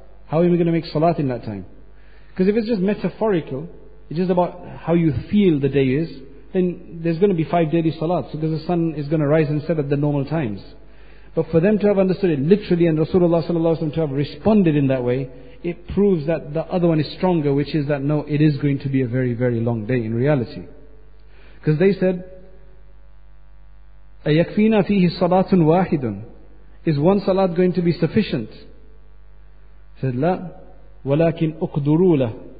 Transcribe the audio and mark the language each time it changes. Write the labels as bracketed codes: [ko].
[en] How are we going to make salat in that time? Because if it's just metaphorical, it's just about how you feel the day is, then there's going to be five daily salats, because the sun is going to rise and set at the normal times. But for them to have understood it literally, and Rasulullah sallallahu alaihi wasallam to have responded in that way, it proves that the other one is stronger, which is that no, it is going to be a very, very long day in reality. Because they said, [ar] أَيَكْفِينَا فِيهِ صَلَاتٌ وَاحِدٌ. [en] Is one salat going to be sufficient? He said, [ar] لَا وَلَكِنْ أُقْدُرُوا لَهُ.